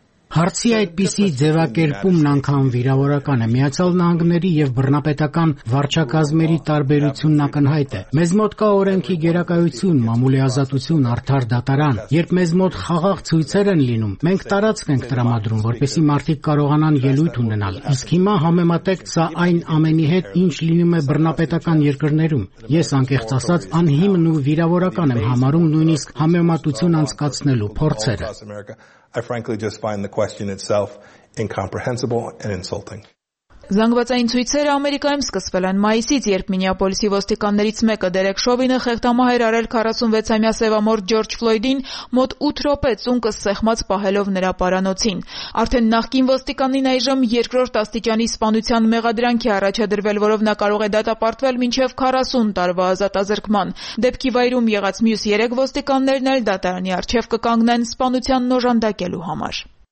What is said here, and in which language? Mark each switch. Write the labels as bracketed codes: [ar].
[hy] Հարցի այդպիսի ձևակերպումն անգամ վիրավորական է, Միացյալ Նահանգների և բռնապետական վարչակազմերի տարբերությունն ակնհայտ է։ Մեզ մոտ կա օրենքի գերակայություն, մամուլի ազատություն, արդար դատարան։ Երբ մեզ մոտ խաղաղ ցույցեր են լինում, մենք տարածք ենք տրամադրում, որպեսզի մարդիկ կարողանան ելույթ ունենալ։ Իսկ հիմա համեմատեք սա այն ամենի հետ, ինչ լինում է բռնապետական երկրներում։ Ես, անկեղծ ասած, անհիմն ու վիրավորական եմ համարում նույնիսկ համեմատություն անցկացնելու փորձերը։ [en] I frankly just find the question itself incomprehensible and insulting. [hy] Զանգվածային ցույցերը Ամերիկայում սկսվել են մայիսից, երբ Մինեապոլիսի ոստիկաններից մեկը Դերեք Շովինը խեղդամահեր արել 46-ամյա սևամորթ Ջորջ Ֆլոյդին, մոտ 8 րոպե ծունկը սեղմած պահելով նրա պարանոցին։ Արդեն նախկին ոստիկանին այժմ երկրորդ աստիճանի սպանության մեղադրանքի առաջադրվել, որով նա կարող է դատապարտվել մինչև 40 տարվա ազատազրկման։ Դեպքի վայրում եղած մյուս 3 ոստիկաններն էլ դատարանի առջև կկանգնեն սպանության նոժանդակելու համար։